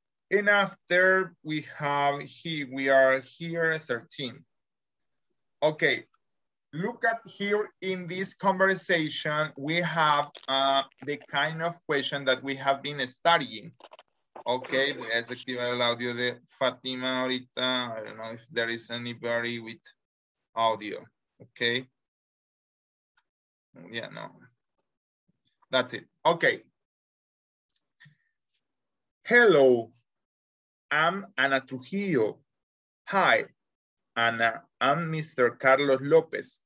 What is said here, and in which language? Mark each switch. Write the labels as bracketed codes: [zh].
[en] And after we have, we are here 13. Okay, look at here in this conversation, we have the kind of question that we have been studying. [es] Okay, voy a desactivar el audio de Fatima ahorita. [en] I don't know if there is anybody with audio. Okay. Yeah, no. That's it. Okay. Hello, I'm Ana Trujillo. Hi, Ana, I'm Mr. Carlos Lopez.